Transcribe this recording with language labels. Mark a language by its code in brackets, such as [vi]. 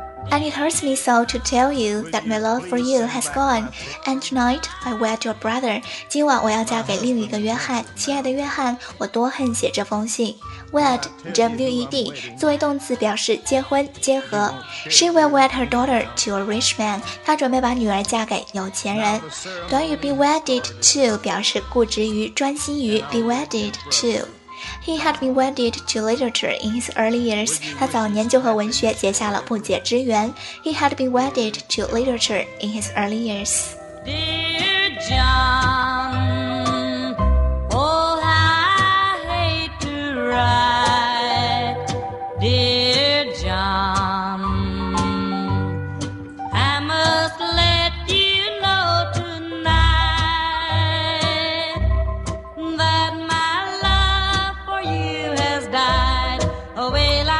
[en] And it hurts me so to tell you that my love for you has gone. And tonight I wed your brother. [zh] 今晚我要嫁给另一个约翰，亲爱的约翰，我多恨写这封信。 Wed, W-E-D, 作为动词表示结婚、结合。 [en] She will wed her daughter to a rich man. [zh] 她准备把女儿嫁给有钱人。短语 [en] be wedded to [zh] 表示固执于、专心于 ，be wedded to。 [en] He had been wedded to literature in his early years. [zh] 他早年就和文学结下了不解之缘。 [en] He had been wedded to literature in his early years. Dear John, oh, I hate to write. Dear John, I must let you know tonight that my love for you has died away.